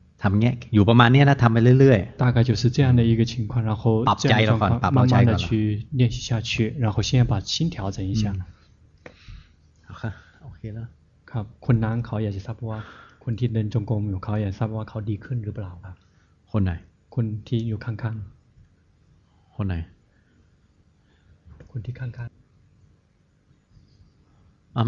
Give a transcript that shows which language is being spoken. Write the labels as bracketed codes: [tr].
[th] ทำเงี้ยอยู่ประมาณนี้นะทำไปเรื่อย [zh] ๆ大概就是这样的一个情况然后 [th] ปรับใจแล้วก่อนปรับใจก่อน [zh] 慢慢的去练习下去然后先把心调整一下 [th] โอเคแล้ว ครับคนนั้นเขาอยากจะทราบว่าคนที่เดินจงกรมอยู่เขาอยากทราบว่าเขาดีขึ้นหรือเปล่าครับ คนไหน คนที่อยู่ข้างๆ คนไหน คนที่ข้างๆ